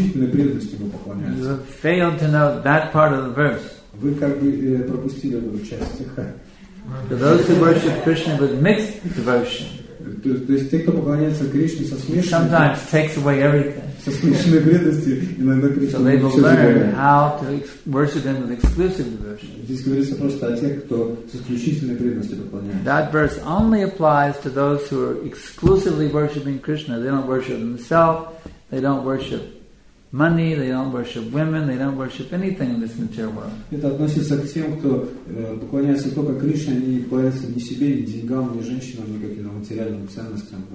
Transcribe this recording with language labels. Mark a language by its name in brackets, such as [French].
[English] You have failed to know that part of the verse. For those who worship Krishna with mixed devotion. [Russian] То есть те, кто поклоняется Кришне со смешанной, [English] sometimes takes away everything. [Russian] Со смешанной преданностью, иногда Кришна [English] so they will learn [Russian] забирает. [English] How to worship him with exclusive devotion. [Russian] Здесь говорится просто о тех, кто с исключительной преданностью поклоняется. [English] That verse only applies to those who are exclusively worshiping Krishna. They don't worship themselves. They don't worship money. They don't worship women. They don't worship anything in this material world. [Russian] Это относится к тем, кто поклоняется только Кришне, они поклоняются не себе, ни деньгам, ни женщинам, ни каким-то материальным ценностям.